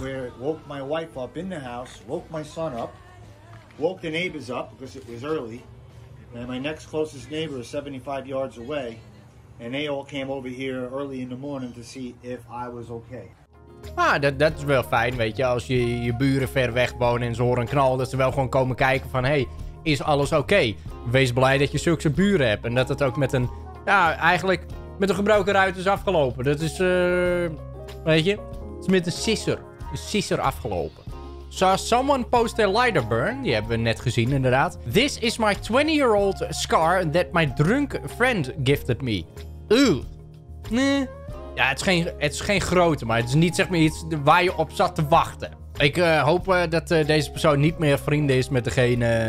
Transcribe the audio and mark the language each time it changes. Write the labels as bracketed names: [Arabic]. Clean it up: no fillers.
[English] Where it woke my wife up in the house, woke my son up, woke the neighbors up because it was early, and my next closest neighbor is 75 yards away. And they all came over here early in the morning to see if I was okay. [Dutch] Maar dat is wel fijn, weet je. Als je buren ver weg wonen en ze horen een knal, dat ze wel gewoon komen kijken van, hey, is alles oké? Wees blij dat je zulke buren hebt. En dat het ook met een, ja, eigenlijk met een gebroken ruit is afgelopen. Dat is, weet je, het is met een scisser. Een scisser afgelopen. [English] Saw someone post their lighter burn. [Dutch] Die hebben we net gezien, inderdaad. [English] This is my 20-year-old scar that my drunk friend gifted me. [Dutch] Nee. Ja, het is geen grote, maar het is niet zeg maar iets waar je op zat te wachten. Ik hoop dat deze persoon niet meer vrienden is met degene...